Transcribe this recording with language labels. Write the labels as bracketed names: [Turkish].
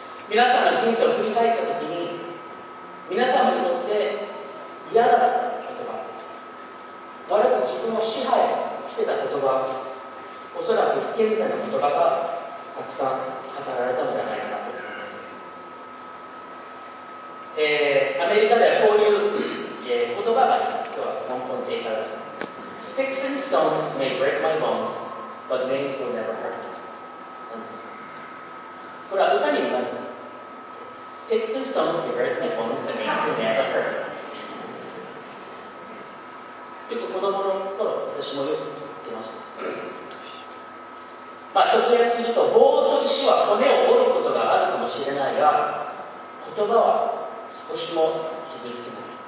[Japanese] 皆さんが人生を振り返ったときに、皆さんにとって嫌だった言葉、悪く自分を支配してた言葉、おそらく不健全な言葉がたくさん語られたのではないかなと思います。アメリカではこういう言葉があります。今日は根本的な。 [English] Sticks and stones may break my bones, but names will never hurt me. [Japanese] これは歌にもなります。 [English] Sticks and stones may break my bones, but names will never hurt me. [Japanese] よく子供の頃、私もよく言ってました。まあ、直訳すると、棒と石は骨を折ることがあるかもしれないが、言葉は少しも傷つけない。